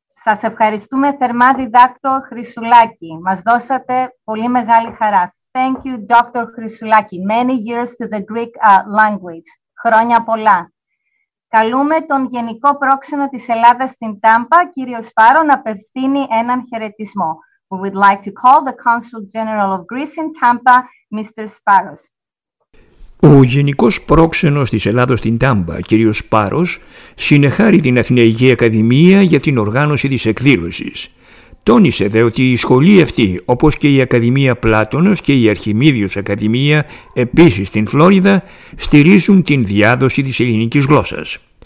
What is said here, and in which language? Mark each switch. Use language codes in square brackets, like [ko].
[el] Σας ευχαριστούμε θερμά, διδάκτο Χρυσουλάκη. Μας δώσατε πολύ μεγάλη χαρά. [en] Thank you, Dr. Χρυσουλάκη. Many years to the Greek language. [el] Χρόνια πολλά. Καλούμε τον Γενικό Πρόξενο της Ελλάδας στην Τάμπα, κύριο Σπάρο, να απευθύνει έναν χαιρετισμό. [en] We would like to call the Consul General of Greece in Tampa, Mr. Sparos. [el] Ο Γενικός Πρόξενος της Ελλάδος στην Τάμπα, κύριος Σπάρος, συνεχάρει την Αθηναϊκή Ακαδημία για την οργάνωση της εκδήλωσης. Τόνισε δε ότι η σχολή αυτή, όπως και η Ακαδημία Πλάτωνος και η Αρχιμίδιος Ακαδημία, επίσης στην Φλόριδα, στηρίζουν την διάδοση της ελληνικής γλώσσας.